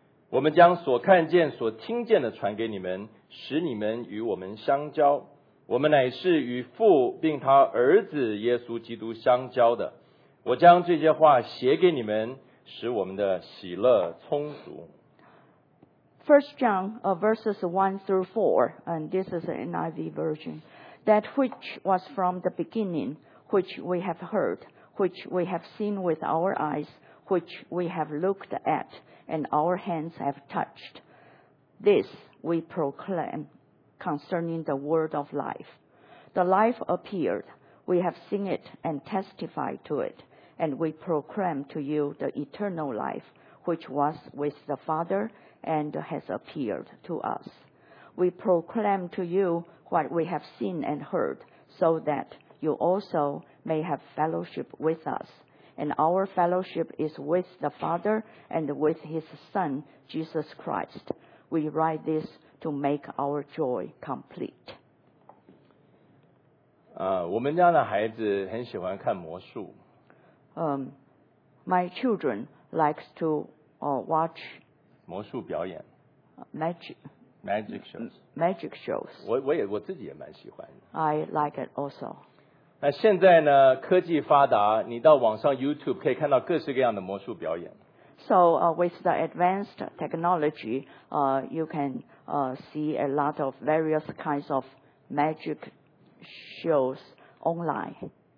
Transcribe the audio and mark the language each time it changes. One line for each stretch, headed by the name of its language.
Chinese: 我们将所看见所听见的传给你们，使你们与我们相交。我们乃是与父并他儿子耶稣基督相交的。我将这些话写给你们，使我们的喜乐充足。
English: First John verses 1-4, and this is an NIV version. That which was from the beginning, which we have heard, which we have seen with our eyes, which we have looked at,and our hands have touched. This we proclaim concerning the word of life. The life appeared. We have seen it and testified to it. And we proclaim to you the eternal life, which was with the Father and has appeared to us. We proclaim to you what we have seen and heard, so that you also may have fellowship with us. And our fellowship is with the Father and with His Son, Jesus Christ. We write this to make our joy complete.
Chinese: 我们家的孩子很喜欢看魔术。
English: My children likes to watch
Chinese: 魔术表演。
English: Magic shows.
Chinese: 我自己也蛮喜欢。
English: I like it also.
Chinese: 那现在呢？科技发达，你到网上 YouTube 可以看到各式各样的魔术表演。
English: So with the advanced technology, you can see a lot of various kinds of magic shows online.